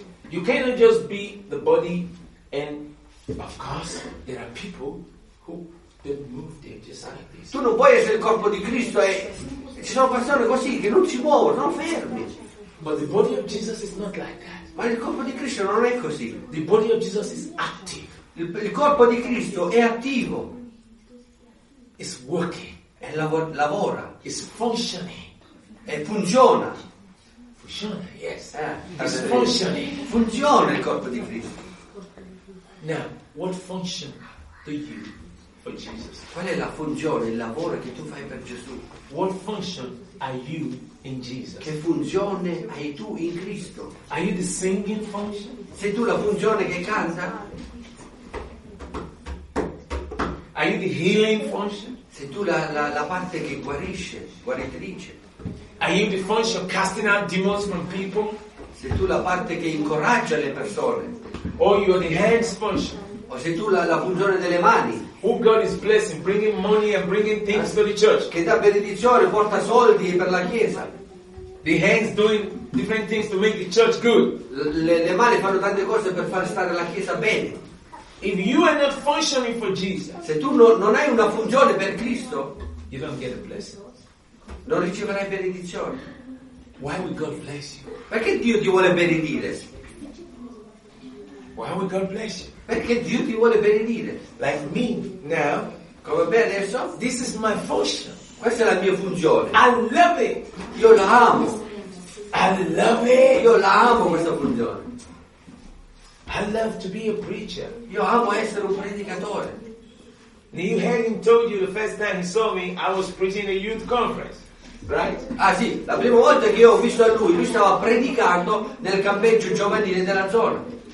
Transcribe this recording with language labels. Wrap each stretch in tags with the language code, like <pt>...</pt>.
<en>You cannot just be the body and of course there are people who don't move their just like this.</en> <it>Tu non puoi essere il corpo di Cristo e ci sono persone così che non si muovono, non fermi.</it> <en>But the body of Jesus is not like that.</en> <it>Ma il corpo di Cristo non è così.</it> <en>The body of Jesus is active.</en> <it>Il corpo di Cristo è attivo.</it> <en>It's working.</en> <it>E lavora.</it> <en>It's functioning.</en> <it>E funziona. Funziona,</it> <en>yes. It's functioning.</en> <it>Funziona il corpo di Cristo.</it> <en>Now, what function do you for Jesus?</en> <it>Qual è la funzione, il lavoro che tu fai per Gesù?</it> <en>What function are you in Jesus?</en> <it>Che funzione hai tu in Cristo?</it> <en>Are you the singing function?</en> <it>Sei tu la funzione che canta?</it> <en>Are you the healing function?</en> <it>Sei tu la parte che guarisce, guaritrice.</it> <en>Are you the function of casting out demons from people?</en> <it>Sei tu la parte che incoraggia le persone.</it> <en>Or you are the hands function.</en> <it>O sei tu la funzione delle mani.</it> <en>Who God is blessing, bringing money and bringing things to the church.</en> <it>Che dà benedizione, porta soldi per la chiesa.</it> <en>The hands doing different things to make the church good.</en> <it>Le mani fanno tante cose per far stare la chiesa bene.</it> <en>If you are not functioning for Jesus,</en> <it>se tu non hai una funzione per Cristo,</it> <en>you don't get a blessing.</en> <it>Non riceverai benedizione.</it> <en>Why would God bless you?</en> <it>Perché Dio ti vuole benedire?</it> <en>Why would God bless you?</en> <it>Perché Dio ti vuole benedire.</it> <en>Like me now,</en> <it>come me adesso.</it> <en>This is my function.</en> <it>Questa è la mia funzione.</it> <en>I love it.</en> <it>Io la amo.</it> <en>I love it.</en> <it>Io la amo questa funzione.</it> <en>I love to be a preacher.</en> <it>Io amo essere un predicatore.</it> <en>Neil Henning told you the first time he saw me, I was preaching a youth conference, right?</en> <it>Ah sì, la prima volta che io ho visto lui stava predicando nel campeggio giovanile della zona.</it>